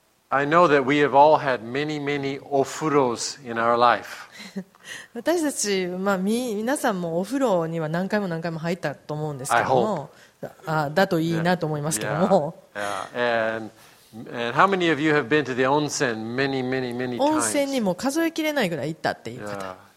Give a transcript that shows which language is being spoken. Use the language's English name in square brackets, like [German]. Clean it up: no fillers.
[English] I know that we have all had many, many ofuros in our life. [Japanese] 私たち、まあ、皆さんもお風呂には何回も何回も入ったと思うんですけども、だといいなと思いますけども。 [English] And how many of you have been to the onsen many, many, many times? [Japanese] 温泉にも数えきれないぐらい行ったっていう方。